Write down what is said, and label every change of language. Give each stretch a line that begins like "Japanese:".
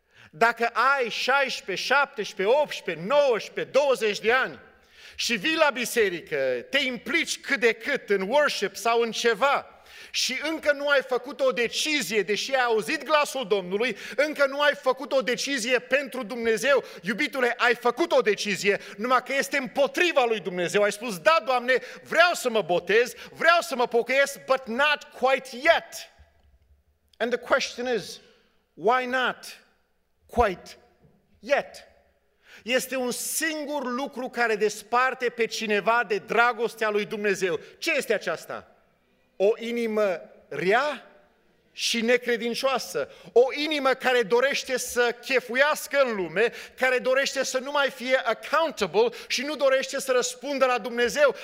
Romanian: Dacă ai 16, 17, 18, 19, 20 de ani și vii la biserică, te implici cât de cât în worship sau în ceva și încă nu ai făcut o decizie, deși ai auzit glasul Domnului, încă nu ai făcut o decizie pentru Dumnezeu, iubitule, ai făcut o decizie, numai că este împotriva lui Dumnezeu. Ai spus, da, Doamne, vreau să mă botez, vreau să mă pocăiesc,
English: but not quite yet. And the question is, why not quite yet?
Romanian: Este un singur lucru care desparte pe cineva de dragostea lui Dumnezeu. Ce este aceasta? O inimă rea și necredincioasă. O inimă care dorește să chefuiască în lume, care dorește să nu mai fie accountable și nu dorește să răspundă la Dumnezeu.